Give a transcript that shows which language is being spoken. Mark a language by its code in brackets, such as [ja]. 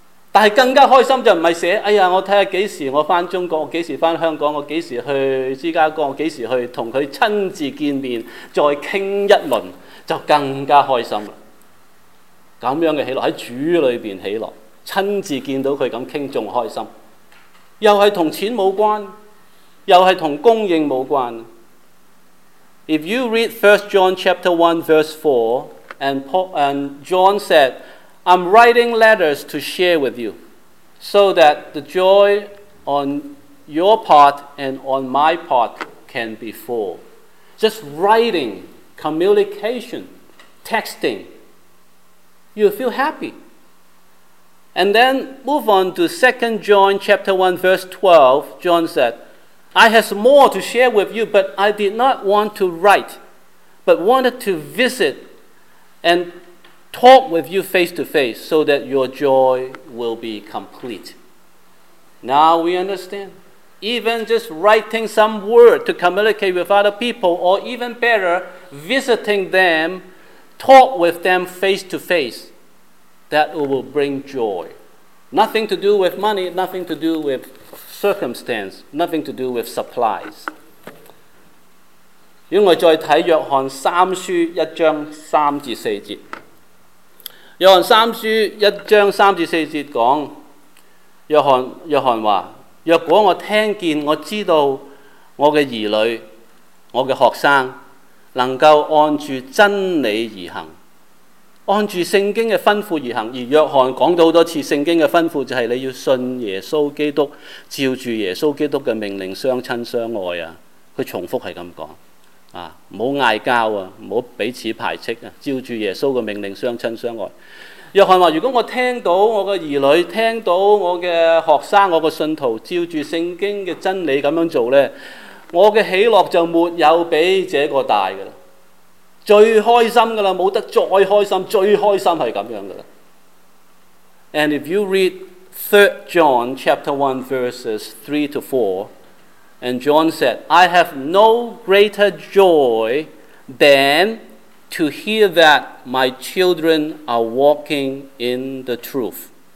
[zh] 但是更加开心就不是写哎呀我看看几时我回中国，我几时回香港，我几时去芝加哥，我几时去跟他亲自见面再谈一轮，就更加开心了。这样的喜乐在主里面喜乐，亲自见到他这样谈还开心，又是跟钱无关，又是跟供应无关。 [en] If you read 1 John chapter 1 verse 4 and, Paul, and John said, I'm writing letters to share with you so that the joy on your part and on my part can be full. Just writing, communication, texting, you feel happy. And then move on to 2 John chapter 1 verse 12. John said, I have more to share with you, but I did not want to write, but wanted to visit and talk with you face to face so that your joy will be complete. Now we understand. Even just writing some word to communicate with other people, or even better, visiting them, talk with them face to face. That will bring joy. Nothing to do with money, nothing to do with circumstance, nothing to do with supplies. [zh] 如果我们再看约翰三书一章三至四节，约翰三书一章三至四节讲，约翰说，若果我听见，我知道我的儿女，我的学生，能够按住真理而行，按住圣经的吩咐而行。而约翰讲到很多次，圣经的吩咐就是你要信耶稣基督，照住耶稣基督的命令相亲相爱啊。他重复是这样说，不要吵架，不要彼此排斥，照住耶稣的命令相亲相爱。约翰说，如果我听到我的儿女，听到我的学生，我的信徒照住圣经的真理这样做，我的喜乐就没有比这个大的了，最开心的了，没得再开心，最开心是这样的。 [en] And if you read 3 John chapter 1 verses 3 to 4, and John said, I have no greater joy than to hear that my children are walking in the truth.